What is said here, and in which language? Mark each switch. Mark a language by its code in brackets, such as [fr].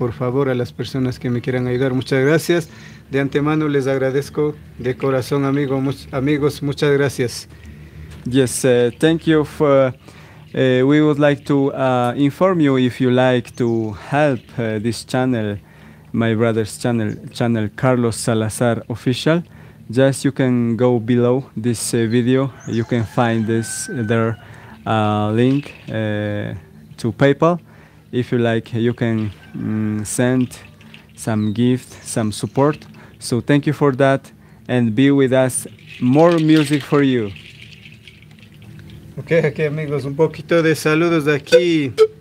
[es] Por favor, a las personas que me quieran ayudar, muchas gracias. De antemano les agradezco de corazón, amigos, muchas gracias. [en] Yes, thank you for we would like to inform you, if you like to help this channel, my brother's channel Carlos Salazar Official, just you can go below this video. You can find this there link to PayPal. If you like, you can send some gift, some support. So thank you for that, and be with us. More music for you. [es] Okay, aquí, amigos, un poquito de saludos de aquí.